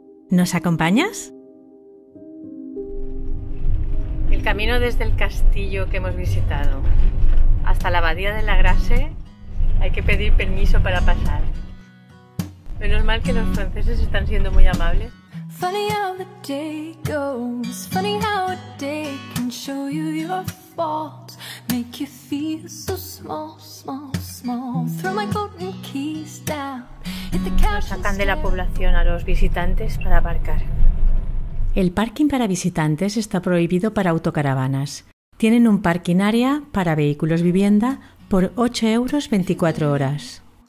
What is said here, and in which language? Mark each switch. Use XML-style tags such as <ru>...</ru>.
<es>¿Nos acompañas? El camino desde el castillo que hemos visitado hasta la abadía de Lagrasse, hay que pedir permiso para pasar. Menos mal que los franceses están siendo muy amables.</es> <en>Funny how the day goes, funny how a day can show you your faults, make you feel so small, small.</en> <es>Nos sacan de la población a los visitantes para aparcar. El parking para visitantes está prohibido para autocaravanas. Tienen un parking área para vehículos vivienda por 8 euros 24 horas.</es>